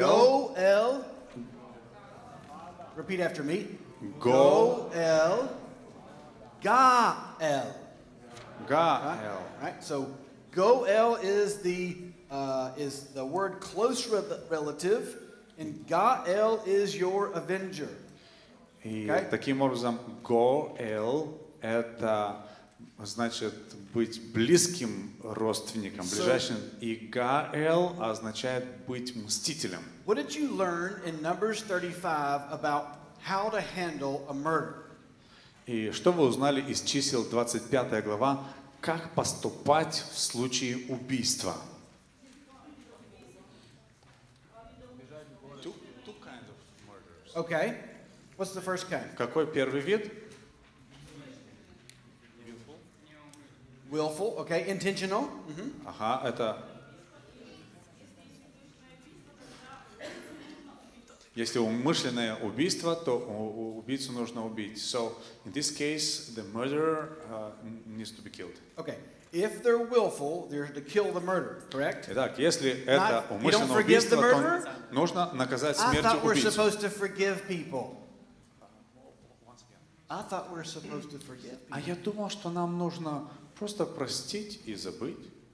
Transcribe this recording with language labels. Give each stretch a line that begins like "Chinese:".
English: Go-el. Repeat after me.
Hebrew: Go-el. Ga'al. Ga'al. All
English: right, so Go-el is the word close relative, and Ga'al is your avenger. И okay.
Russian: таким образом, Go-el — это значит быть близким родственником, ближайшим. So, и Ga'al означает быть мстителем.
English: What did you learn in Numbers 35 about how to handle a murder?
Russian: И что вы узнали из чисел 25 глава, как поступать в случае убийства?
English: Two kinds of murders. Okay. What's the first kind?
Russian: Какой первый вид?
English: Willful, okay, intentional.
Russian: Ага, это Если умышленное убийство, то убийцу нужно убить.
English: So in this case, the murderer needs to be killed. Okay. If they're willful, they're to kill the murderer, correct?
Russian: Итак, если это умышленное убийство, то нужно наказать смертью убийцу.
English: I thought we're supposed to forgive people. I thought we're supposed to forgive people.
Russian: А я думал, что нам нужно просто простить и забыть.